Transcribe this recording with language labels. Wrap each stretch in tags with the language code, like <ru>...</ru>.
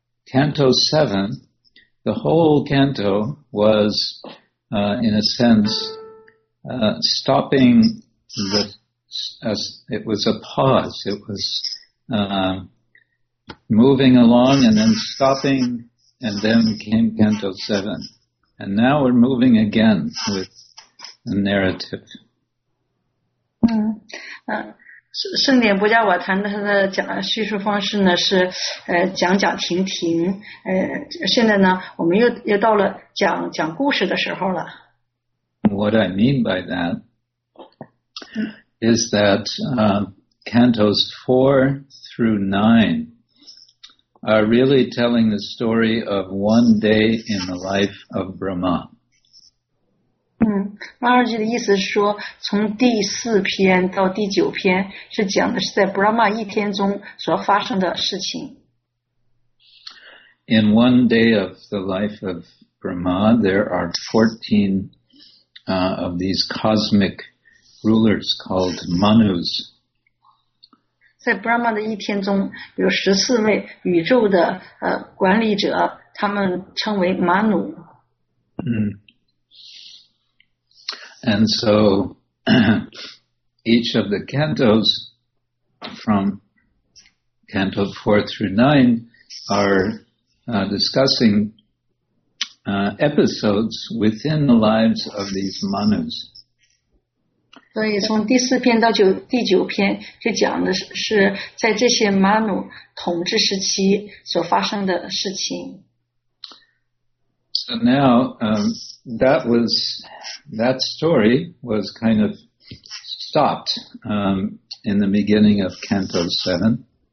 <en>Canto 7, the whole canto was, in a sense, stopping the, as it was a pause. It was moving along and then stopping, and then came Canto 7. And now we're moving again with a narrative.</en> <zh>圣典波迦瓦坛的叙述方式呢是讲讲停停，现在呢我们又到了讲故事的时候了。What</zh> <en>I mean by that is that cantos 4 through 9 are really telling the story of one day in the life of Brahma.</en> <zh>马尔吉的意思是说，从第四篇到第九篇是讲的是在 Brahma 一天中所发生的事情。</zh> <en>In one day of the life of Brahma, there are 14 of these cosmic rulers called Manus.</en> <zh>在 Brahma 的一天中，有14位宇宙的管理者，他们称为 Manu。</zh> <en>And so each of the cantos from canto 4 through 9 are discussing episodes within the lives of these manus.</en> <zh>所以从第四篇到九第九篇就讲的是在这些 manu 统治时期所发生的事情。</zh> <en>So now that story was kind of stopped in the beginning of Canto 7.</en>